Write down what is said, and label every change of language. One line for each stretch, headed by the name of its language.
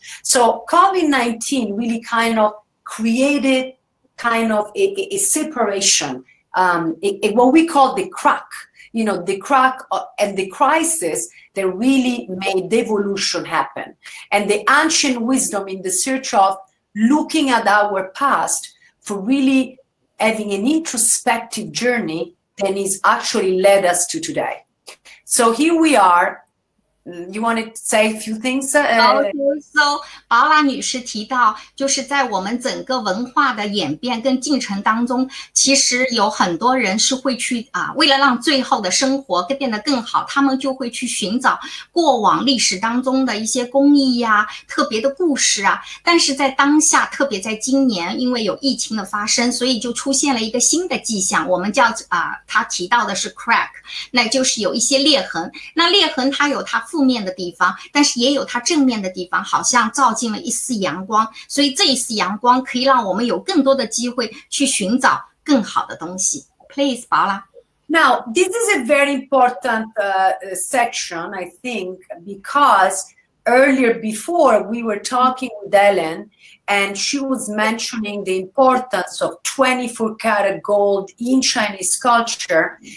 English: So COVID-19 really kind of created kind of a separation, what we call the crack, you know, the crack and the crisis that really made devolution happen. And the ancient wisdom in the search of looking at our past for really having an introspective journey that has actually led us to today. So here we are. You want to say a few things?
Chinese: So, Paola 女士提到，就是在我们整个文化的演变跟进程当中，其实有很多人是会去啊，为了让最后的生活变得更好，他们就会去寻找过往历史当中的一些工艺呀、特别的故事啊。但是在当下，特别在今年，因为有疫情的发生，所以就出现了一个新的迹象，我们叫啊，他提到的是 crack， 那就是有一些裂痕。那裂痕它有它负面的地方，但是也有它正面的地方，好像照进了一丝阳光，所以这一丝阳光可以让我们有更多的机会去寻找更好的东西。
English: Please, Paola. Now, this is a very important section, I think, because earlier before we were talking with Helen, and she was mentioning the importance of 24 karat gold in Chinese culture.